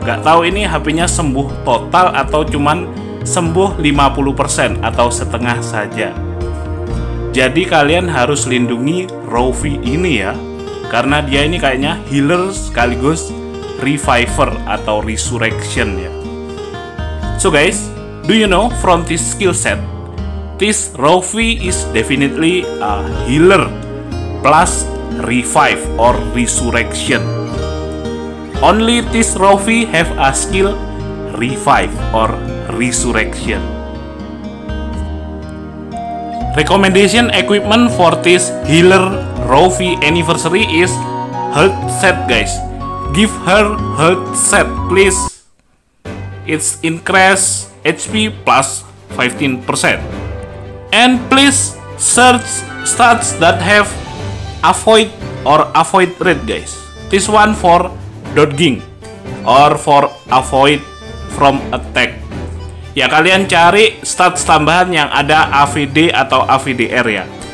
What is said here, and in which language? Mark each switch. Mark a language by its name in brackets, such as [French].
[Indonesian] Gak tahu ini HP-nya sembuh total atau cuman sembuh 50% atau setengah saja. Jadi kalian harus lindungi Rovi ini ya, karena dia ini kayaknya healer sekaligus reviver atau resurrection ya. [English] So guys, do you know from this skill set, this Rovi is definitely a healer plus revive or resurrection. Only this Rovi have a skill revive or resurrection. Recommendation equipment for this healer Rovi anniversary is health set guys. Give her health set please. It's increase HP plus 15%. And please search stats that have avoid or avoid rate guys. This one for dodging or for avoid from attack. [Indonesian] Ya, kalian cari stats tambahan yang ada AVD atau AVDR ya.